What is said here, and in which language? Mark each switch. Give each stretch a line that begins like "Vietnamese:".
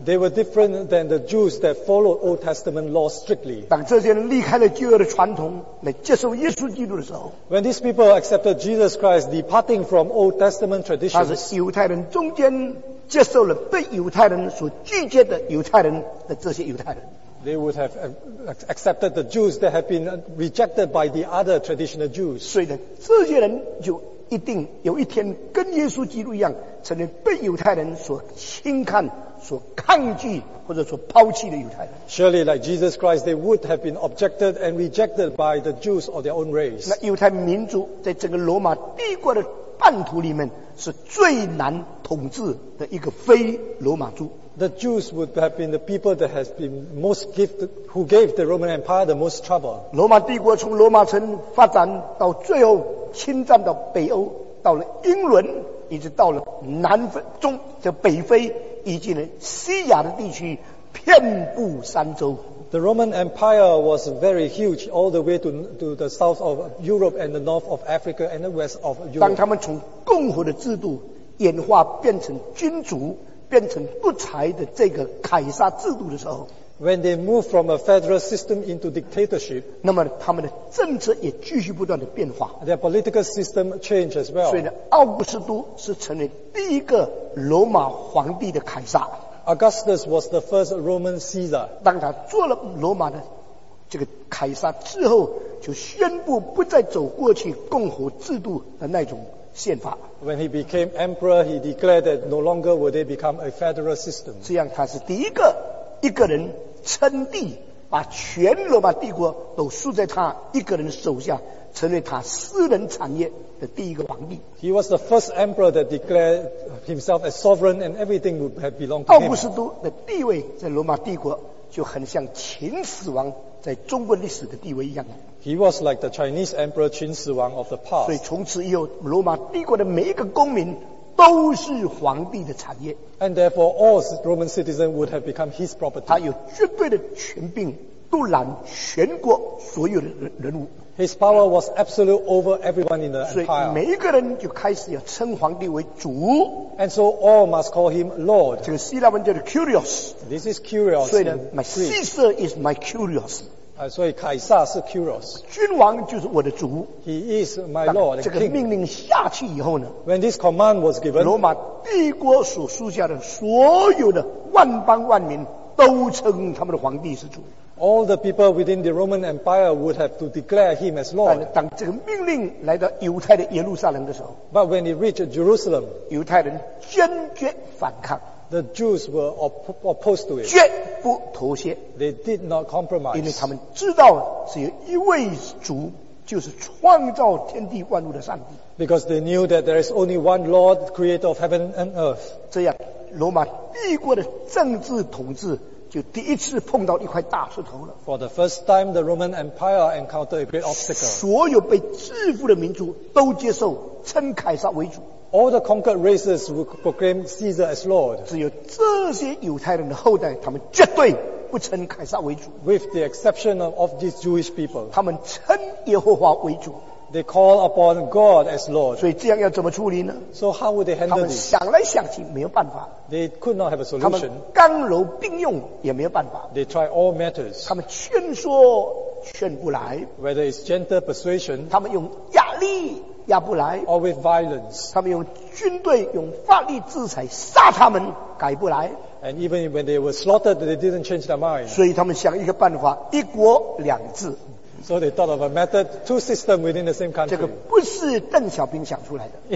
English: They were different than the Jews that followed Old Testament law strictly.
Chinese: 当这些人离开了旧约的传统来接受耶稣基督的时候
English: ，When these people accepted Jesus Christ, departing from Old Testament traditions.
Chinese: 他是犹太人中间接受了被犹太人所拒绝的犹太人的这些犹太人。
English: They would have accepted the Jews that have been rejected by the other traditional Jews.
Chinese: 所以呢，这些人就一定有一天跟耶稣基督一样，成为被犹太人所轻看、所抗拒或者所抛弃的犹太人。
English: Surely, like Jesus Christ, they would have been objected and rejected by the Jews of their own race.
Chinese: 那犹太民族在整个罗马帝国的版图里面是最难统治的一个非罗马族。
English: The Jews would have been the people that has been most gifted, who gave the Roman Empire the most trouble.
Chinese: 罗马帝国从罗马城发展到最后侵占到北欧，到了英伦，一直到了南非、中的北非，以及呢西亚的地区，遍布三洲。
English: The Roman Empire was very huge all the way to the south of Europe and the north of Africa and the west of Europe.
Chinese: 当他们从共和的制度演化变成君主。变成独裁的这个凯撒制度的时候
English: ，When they move from a federal system into dictatorship，
Chinese: 那么他们的政策也继续不断的变化
English: ，Their political system changed as well。
Chinese: 所以呢，奥古斯都是成为第一个罗马皇帝的凯撒。
English: Augustus was the first Roman Caesar.
Chinese: 当他做了罗马的这个凯撒之后，就宣布不再走过去共和制度的那种宪法。
English: When he became emperor, he declared that no longer would they become a federal system.
Chinese: 这样他是第一个一个人称帝，把全罗马帝国都输在他一个人手下，成为他私人产业的第一个皇帝。
English: He was the first emperor that declared himself a sovereign and everything would have belonged to him.
Chinese: 奥古斯都的地位在罗马帝国就很像秦始皇在中国历史的地位一样。
English: He was like the Chinese emperor 秦始皇 of the past.
Chinese: 所以从此以后，罗马帝国的每一个公民都是皇帝的产业。
English: And therefore, all Roman citizens would have become his property.
Chinese: 他有绝对的权柄，独揽全国所有的人物。
English: His power was absolute over everyone in the empire.
Chinese: 所以每一个人就开始要称皇帝为主。
English: And so all must call him Lord.
Chinese: 这个希腊文叫做 Curios.
English: This is Curios.
Chinese: 所以呢
English: ，My Caesar is my Curios.
Chinese: 所以凯撒是 Curios. 君王就是我的主。
English: He is my Lord.
Chinese: 这个命令下去以后呢
English: ，When this command was given,
Chinese: 罗马帝国所属下的所有的万邦万民都称他们的皇帝是主。
English: All the people within the Roman Empire would have to declare him as Lord.
Chinese: 但当这个命令来到犹太的耶路撒冷的时候
English: ，But when he reached Jerusalem,
Chinese: 犹太人坚决反抗。
English: The Jews were opposed to it.
Chinese: 绝不妥协。
English: They did not compromise.
Chinese: 因为他们知道只有一位主，就是创造天地万物的上帝。
English: Because they knew that there is only one Lord, Creator of heaven and earth.
Chinese: 这样，罗马帝国的政治统治。就第一次碰到一块大石头了。
English: For the first time, the Roman Empire encountered a great obstacle.
Chinese: 所有被制服的民族都接受称凯撒为主。
English: All the conquered races would proclaim Caesar as Lord.
Chinese: 只有这些犹太人的后代，他们绝对不称凯撒为主。
English: With the exception of these Jewish people,
Chinese: 他们称耶和华为主。
English: They call upon God as Lord.
Chinese: 所以这样要怎么处理呢
English: ？So how would they handle this?
Chinese: 他们想来想去没有办法。
English: They could not have a solution.
Chinese: 他们刚柔并用也没有办法。
English: They try all methods.
Chinese: 他们劝说劝不来。
English: Whether it's gentle persuasion.
Chinese: 他们用压力压不来。
English: Or with violence.
Chinese: 他们用军队用法律制裁杀他们改不来。
English: And even when they were slaughtered, they didn't change their mind.
Chinese: 所以他们想一个办法，一国两制。
English: So they thought of a method, two systems within the same country.
Chinese: 这个不是邓小平想出来的。